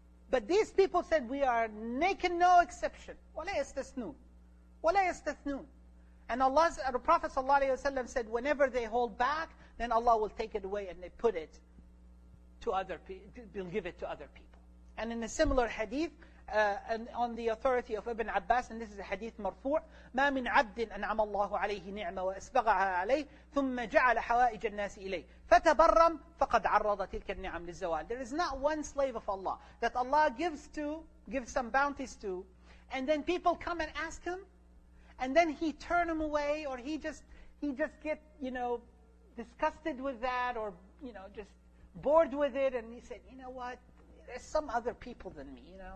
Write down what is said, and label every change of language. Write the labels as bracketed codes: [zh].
[en] But these people said, we are making no exception. [ar] وَلَا يَسْتَثْنُونَ وَلَا يَسْتَثْنُونَ. [en] And the Prophet ﷺ said, whenever they hold back, then Allah will take it away and they put it to other people, will give it to other people. And in a similar hadith, and on the authority of Ibn Abbas, and this is a hadith marfu', [ar] مَا مِنْ عَبْدٍ أَنْعَمَ اللَّهُ عَلَيْهِ نِعْمَ وَأَسْبَغَهَا عَلَيْهِ ثُمَّ جَعَلَ حَوَائِجَ النَّاسِ إِلَيْهِ فَتَبَرَّمْ فَقَدْ عَرَّضَ تِلْكَ النِّعَمْ لِلزَّوَالِ. [en] There is not one slave of Allah that Allah gives some bounties to, and then people come and ask him, and then he turn him away, or he just get, you know, disgusted with that, or, you know, just bored with it. And he said, you know what, there's some other people than me, you know.